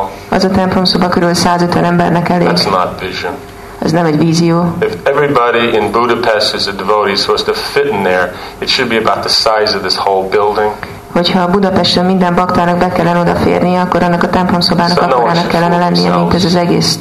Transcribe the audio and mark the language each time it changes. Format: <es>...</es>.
<hu>Az a templom szoba körül 150 embernek elég.</hu> <en>That's not vision.</en> <hu>Ez nem egy vízió.</hu> <en>If everybody in Budapest is a devotee, so as to fit in there, it should be about the size of this whole building.</en> <hu>Hogyha Budapesten minden baktának be kellene odaférnie, akkor annak a templomszobának akarának kellene lennie, mint ez az egész</hu>